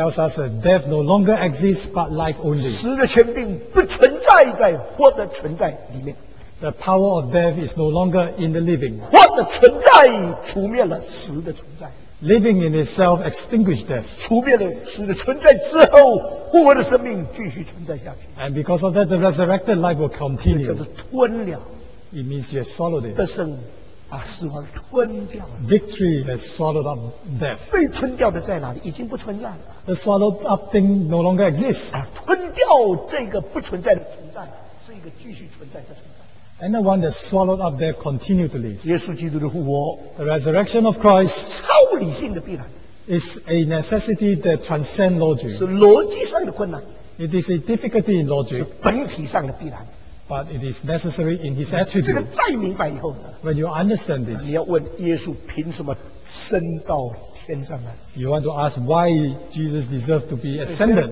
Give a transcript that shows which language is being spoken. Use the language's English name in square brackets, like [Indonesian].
[English] Tells us that death no longer exists, but life only. [Chinese] 死的权柄不存在在活的存在里面。 [English] The power of death is no longer in the living. [Chinese] 活的存在除灭了死的存在。 [English] Living in itself extinguished death. [Chinese] 除灭了死的存在之后，复活的生命继续存在下去。 [English] And because of that, the resurrected life will continue. [Chinese] 这叫做吞了。 [English] It means you have swallowed it. [Chinese] 得胜。把死亡吞掉了。 [English] Victory has swallowed up death. [Chinese] 被吞掉的在哪里？已经不存在了。 [English] The swallowed up thing no longer exists. [Chinese] 啊，吞掉这个不存在的存在，是一个继续存在的存在。 [English] And the one that swallowed up death continued to live. [Chinese] 耶稣基督的复活 [English] ，The resurrection of Christ， [Chinese] 超理性的必然。 [English] Is a necessity that transcends logic. [Chinese] 是逻辑上的困难。 [English] It is a difficulty in logic. [Chinese] 是本体上的必然。 [English] But it is necessary in his attribute. [Chinese] 这个再明白以后呢 [English] ？When you understand this, [Chinese] 你要问耶稣凭什么升到天上来 [English] ？You want to ask why Jesus deserved to be ascended?